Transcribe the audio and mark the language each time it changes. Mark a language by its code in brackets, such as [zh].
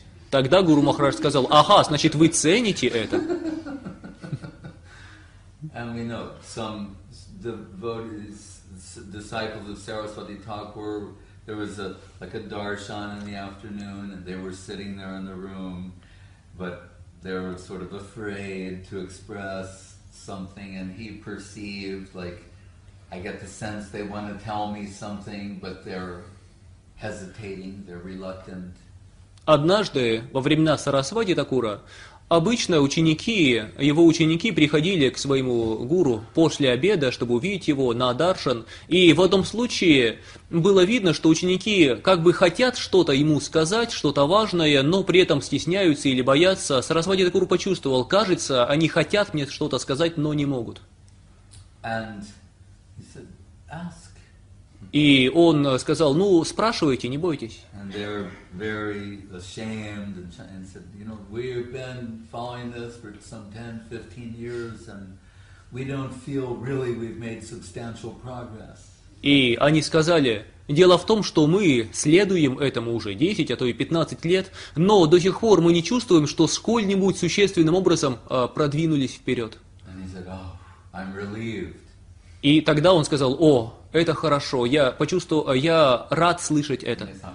[ru] Тогда Гуру Махарадж сказал, ага, значит вы цените это. [en] And we know some devotees, disciples of Saraswati Thakur, there was a darshan in the afternoon, and they were sitting there in the room, but they were sort of afraid to express something, and he perceived, like, I get the sense they want to tell me something, but they're hesitating, they're reluctant. [ru] Однажды, во времена Сарасвати Такура, обычно ученики, его ученики приходили к своему гуру после обеда, чтобы увидеть его на даршан. И в одном случае было видно, что ученики как бы хотят что-то ему сказать, что-то важное, но при этом стесняются или боятся. Сарасвати Такур почувствовал, кажется, они хотят мне что-то сказать, но не могут. [en] And he said, ask. [ru] И он сказал, ну, спрашивайте, не бойтесь. [en] And they're very ashamed and said, you know, we've been following this for some 10-15 years and we don't feel really we've made substantial progress. [ru] И они сказали, дело в том, что мы следуем этому уже 10, а то и 15 лет, но до сих пор мы не чувствуем, что сколь-нибудь существенным образом продвинулись вперед. [en] And he said, oh, I'm relieved. [ru] И тогда он сказал, о, это хорошо, я почувствовал, я рад слышать это.